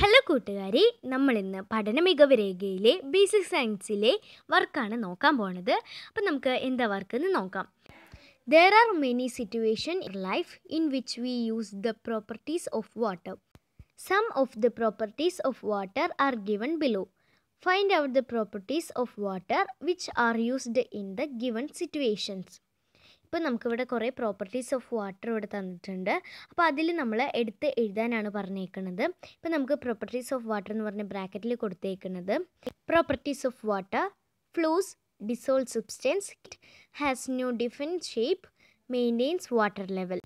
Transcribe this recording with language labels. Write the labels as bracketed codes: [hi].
[ml] കൂട്ടുകാരി, നമ്മൾ ഇന്ന് പഠന മികവ് രേഖയിലെ ബേസിക് സയൻസിലെ വർക്കാണ് നോക്കാൻ പോണത്. അപ്പം നമുക്ക് എന്താ വർക്ക് എന്ന് നോക്കാം. [en] There are many situations in life in which we use the properties of water. Some of the properties of water are given below. Find out the properties of water which are used in the given situations. [ml] ഇപ്പോൾ നമുക്കിവിടെ കുറേ properties of water ഇവിടെ തന്നിട്ടുണ്ട്. അപ്പോൾ അതിൽ നമ്മൾ എടുത്ത് എഴുതാനാണ് പറഞ്ഞേക്കുന്നത്. ഇപ്പോൾ നമുക്ക് പ്രോപ്പർട്ടീസ് ഓഫ് വാട്ടർ എന്ന് പറഞ്ഞ ബ്രാക്കറ്റിൽ കൊടുത്തേക്കുന്നത്, properties of water, flows, dissolve substance, has new different shape, maintains water level.